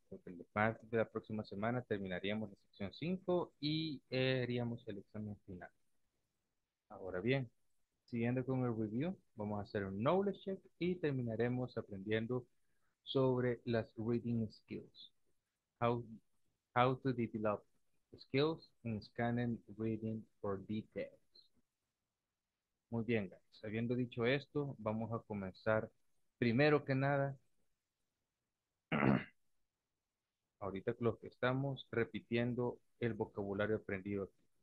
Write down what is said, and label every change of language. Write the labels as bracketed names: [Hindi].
[Spanish] Porque el martes de la próxima semana terminaríamos la sección 5 y haríamos el examen final. Ahora bien, siguiendo con el review, vamos a hacer un [English] knowledge check [Spanish] y terminaremos aprendiendo sobre las [English] reading skills. How to develop skills in scanning reading for details. [Spanish] Muy bien, guys. Habiendo dicho esto, vamos a comenzar primero que nada. Ahorita lo que estamos repitiendo el vocabulario aprendido aquí.